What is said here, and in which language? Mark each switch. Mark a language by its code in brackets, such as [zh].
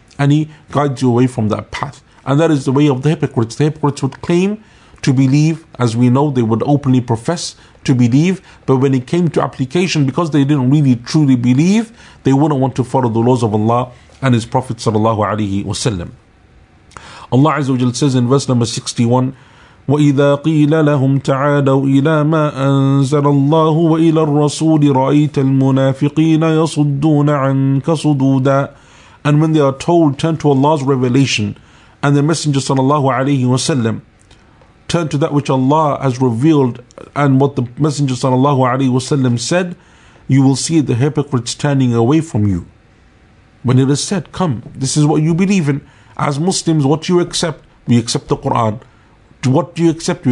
[en] And he guides you away from that path. And that is the way of the hypocrites. The hypocrites would claim to believe, as we know, they would openly profess to believe, but when it came to application, because they didn't really truly believe, they wouldn't want to follow the laws of Allah and His Prophet sallallahu alaihi wasallam. Allah Azza wa Jal says in verse number 61, [ar] وَإِذَا قِيلَ لَهُمْ تَعَالَوْا إِلَى مَا أَنزَلَ اللَّهُ وَإِلَى الرَّسُولِ رَأَيْتَ الْمُنَافِقِينَ يَصُدُّونَ عَنْكَ صُدُودًا. [en] And when they are told, turn to Allah's revelation and the Messenger sallallahu alaihi wasallam, turn to that which Allah has revealed and what the Messenger sallallahu alaihi wasallam said, you will see the hypocrites turning away from you. When it is said, come, this is what you believe in. As Muslims, what do you accept? We accept the Quran. What do you accept?